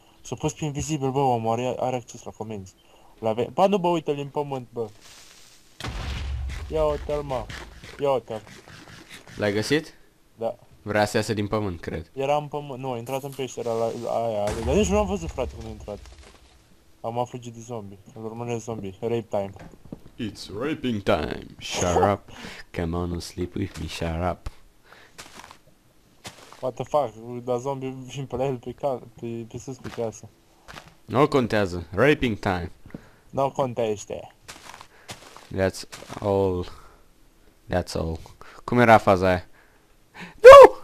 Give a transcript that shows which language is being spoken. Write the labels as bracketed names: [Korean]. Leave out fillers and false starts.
[Romanian] S-a pus pe invizibil, bă, omul are acces la comenzi. Ba nu bă, uite-l în pământ, bă. Ia uite-l, mă. Ia uite-l. L-ai găsit? Da. Vrea să iasă din pământ, cred. Era în pământ, nu, a intrat în peșteră la aia, dar nici nu l-am văzut, frate, cum a intrat. Am fugit de zombie, îl urmăresc zombie, [English] rape time. It's raping time, shut up, come on and sleep with me, shut up. What the fuck, [Romanian] da zombie vin pe la el pe sus pe casă. Nu contează, [English] raping time. [Romanian] Nu contește. [English] That's all. That's all. [Romanian] Cum era faza aia? Nu!